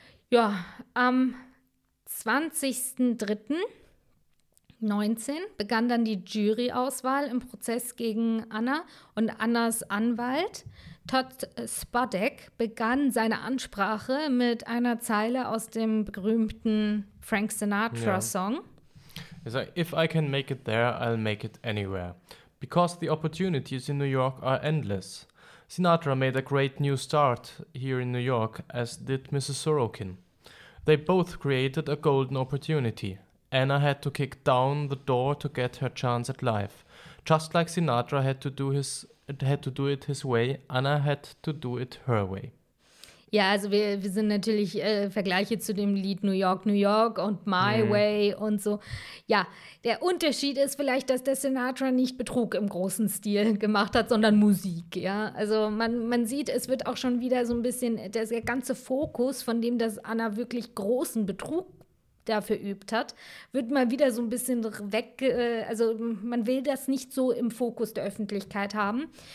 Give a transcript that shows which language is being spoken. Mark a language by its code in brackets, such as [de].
[de] Ja, am 20.03.19 begann dann die Juryauswahl im Prozess gegen Anna und Annas Anwalt Todd Spodek begann seine Ansprache mit einer Zeile aus dem berühmten Frank Sinatra-Song. [en] Yeah. If I can make it there, I'll make it anywhere. Because the opportunities in New York are endless. Sinatra made a great new start here in New York, as did Mrs. Sorokin. They both created a golden opportunity. Anna had to kick down the door to get her chance at life. Just like Sinatra had to do his... had to do it his way, Anna had to do it her way. [de] Ja, also wir sind natürlich Vergleiche zu dem Lied New York, New York und My Way und so. Ja, der Unterschied ist vielleicht, dass der Sinatra nicht Betrug im großen Stil gemacht hat, sondern Musik, ja. Also man sieht, es wird auch schon wieder so ein bisschen, der ganze Fokus, von dem das Anna wirklich großen Betrug dafür übt hat, wird mal wieder so ein bisschen weg, also man will das nicht so im Fokus der Öffentlichkeit haben.